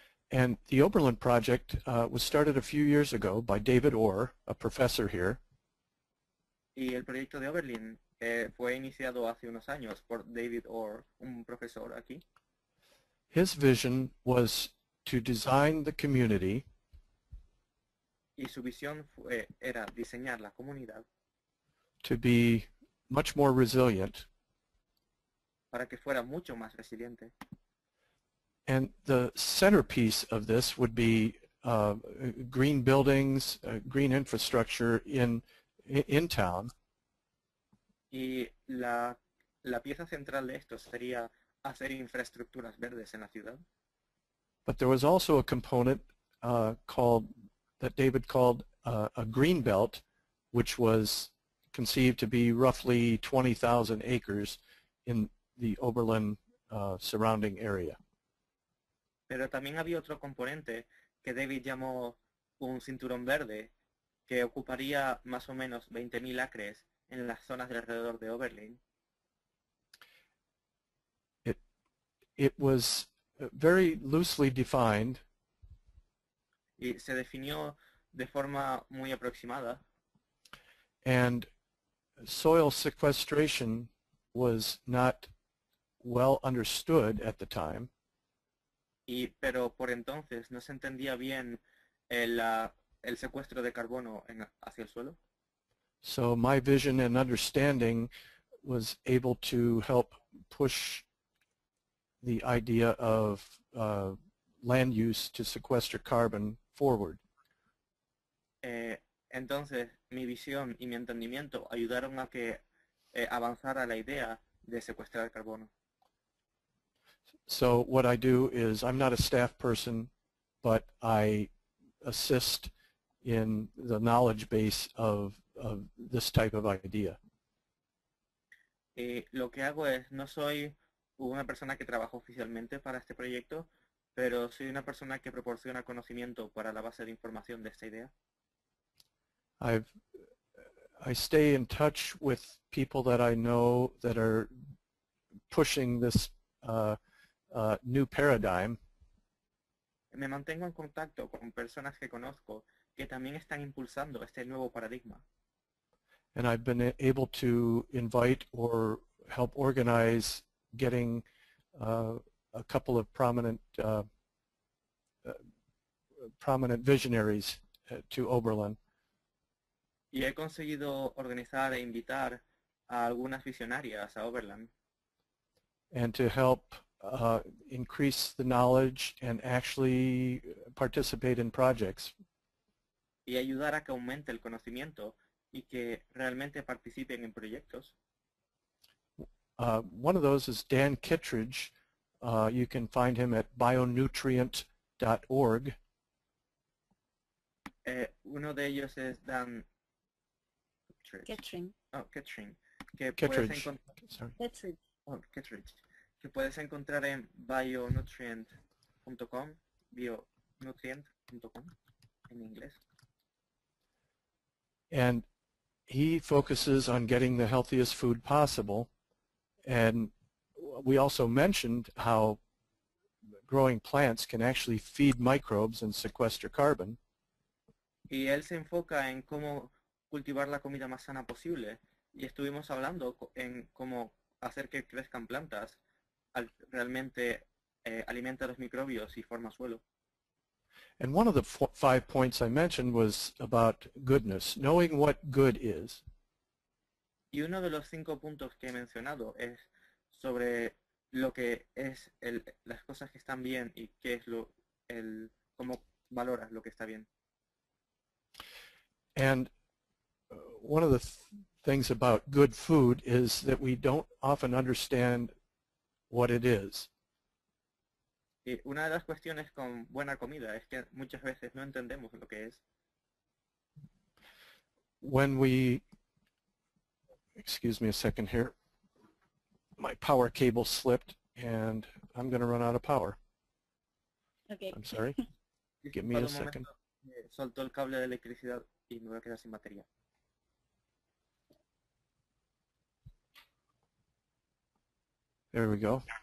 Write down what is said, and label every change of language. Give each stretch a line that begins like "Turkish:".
English: And the Oberlin project was started a few years ago by David Orr, a professor here.
Spanish: Y el proyecto de Oberlin fue iniciado hace unos años por David Orr, un profesor aquí.
English: His vision was to design the community.
Spanish: Y su visión era diseñar la comunidad.
English: To be much more resilient.
Spanish: Para que fuera mucho más resiliente.
English: And the centerpiece of this would be green buildings, green infrastructure in town.
Spanish: Y la pieza central de esto sería hacer infraestructuras verdes en la ciudad.
English: But there was also a component called that David called a green belt, which was conceived to be roughly 20,000 acres in the Oberlin surrounding area.
Spanish: Pero también había otro componente que David llamó un cinturón verde, que ocuparía más o menos 20,000 acres en las zonas de alrededor de Oberlin.
English: It was very loosely defined.
Spanish: Y se definió de forma muy aproximada.
English: And soil sequestration was not well understood at the time.
Spanish: Y pero por entonces no se entendía bien el secuestro de carbono en, hacia el suelo.
English: So my vision and understanding was able to help push the idea of land use to sequester carbon forward.
Spanish: Entonces, mi visión y mi entendimiento ayudaron a que avanzara la idea de secuestrar el carbono.
English: So what I do is, I'm not a staff person, but I assist in the knowledge base of this type of idea.
Spanish: Lo que hago es, no soy una persona que trabaja oficialmente para este proyecto, pero soy una persona que proporciona conocimiento para la base de información de esta idea.
English: I stay in touch with people that I know that are pushing this new paradigm.
Spanish: Me mantengo en contacto con personas que conozco que también están impulsando este nuevo paradigma.
English: And I've been able to invite or help organize getting a couple of prominent visionaries to Oberlin.
Spanish: Y he conseguido organizar e invitar a algunas visionarias a Oberlin.
English: And to help increase the knowledge and actually participate in projects.
Spanish: Y ayudar a que aumente el conocimiento y que realmente participen en proyectos.
English: One of those is Dan Kittredge. You can find him at bionutrient.org.
Spanish: Uno de ellos es Dan Kittredge, que puedes encontrar en bionutrient.com, bionutrient.com en inglés.
English: And he focuses on getting the healthiest food possible, and we also mentioned how growing plants can actually feed microbes and sequester carbon.
Spanish: Y él se enfoca en cómo cultivar la comida más sana posible, y estuvimos hablando en cómo hacer que crezcan plantas realmente alimenta los microbios y forma suelo.
English: And one of the five points I mentioned was about goodness, knowing what good is.
Spanish: Y uno de los cinco puntos que he mencionado es sobre lo que es las cosas que están bien y qué es cómo valoras lo que está bien.
English: And one of the things about good food is that we don't often understand what it is.
Spanish: Y una de las cuestiones con buena comida es que muchas veces no entendemos lo que es.
English: When we, excuse me a second here, my power cable slipped and I'm going to run out of power. Okay. I'm sorry. Give me a second.
Spanish: Soltó el cable de electricidad y me voy a quedar sin batería.
English: There we go.